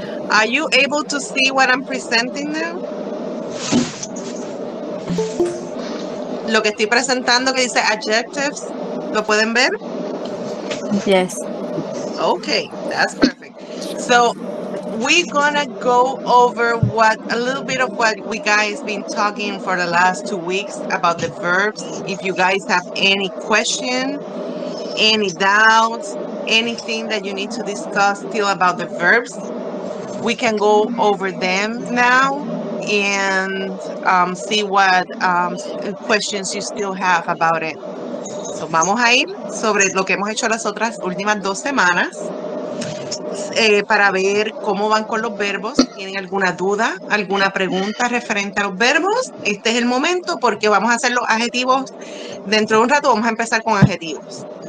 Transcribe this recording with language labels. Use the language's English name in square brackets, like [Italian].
[English] Are you able to see what I'm presenting now? [Spanish] Lo que estoy presentando que dice adjectives, ¿lo pueden ver? [English] Yes. Okay, that's perfect. So, we're gonna go over what a little bit of what we guys been talking for the last 2 weeks about the verbs. If you guys have any question, any doubts, anything that you need to discuss still about the verbs, we can go over them now and see what questions you still have about it. [Spanish] So vamos a ir sobre lo que hemos hecho las otras últimas dos semanas para ver cómo van con los verbos. ¿Tienen alguna duda, alguna pregunta referente a los verbos? Este es el momento porque vamos a hacer los adjetivos. Dentro de un rato vamos a empezar con adjetivos.